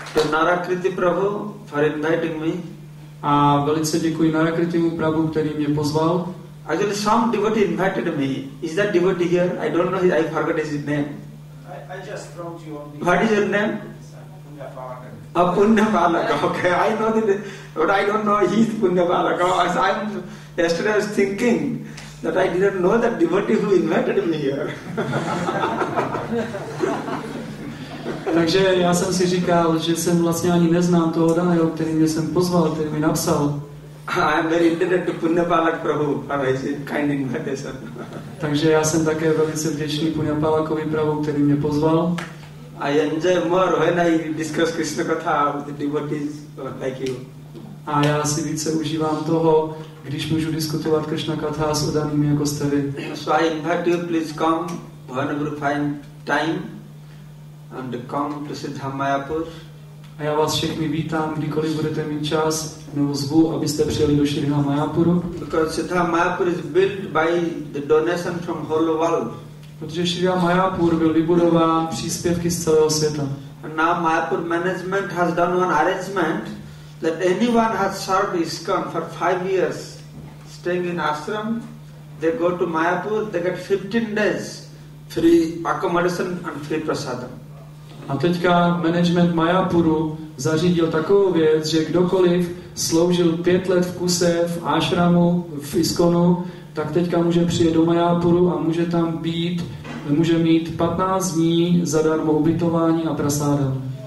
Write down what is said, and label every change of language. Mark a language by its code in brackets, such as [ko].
[en] Narakriti Prabhu for inviting me. [cs] A velice děkuji Narakritimu Prabhu, který mě pozval. [en] Actually, some devotee invited me. Is that devotee here? I don't know. I forgot his name. I just wrote you on the... What is your name? Punyapalaka. Oh, Punyapalaka. Okay, I know the... But I don't know he's Punyapalaka. Yesterday I was thinking that I didn't know that devotee who invited me here. [cs] Takže já jsem si říkal, že jsem vlastně ani neznám toho daného, který mě jsem pozval, který mi napsal. [en] I am very indebted to Punyapalak Prabhu for his kind invitation. [cs] Takže já jsem také velice vděčný Punyapalakovi Prabhu, který mě pozval. [en] I enjoy more when I discuss Krishna Katha with devotees like you. [cs] A já si více užívám toho, když můžu diskutovat Krishna Katha s odanými jako jste vy. [en] So I invite you, please come, whenever you find time, and come to Siddha Mayapur. [cs] A já vás všechny vítám, kdykoliv budete mít čas, nebo zvu, abyste přijeli do Siddha Mayapuru. [en] Because Siddha Mayapur is built by the donation from whole world. [cs] Protože Siddha Mayapur byl vybudován příspěvky z celého světa. [en] And now Mayapur management has done one arrangement that anyone has served ISKCON for 5 years, staying in ashram, they go to Mayapur, they get 15 days free accommodation and free prasadam. [cs] A teďka management Mayapuru zařídil takovou věc, že kdokoliv sloužil 5 let v kuse v ashramu v ISKCONu, tak teďka může přijet do Mayapuru a může tam být, může mít 15 dní zadarmo ubytování a prasádam.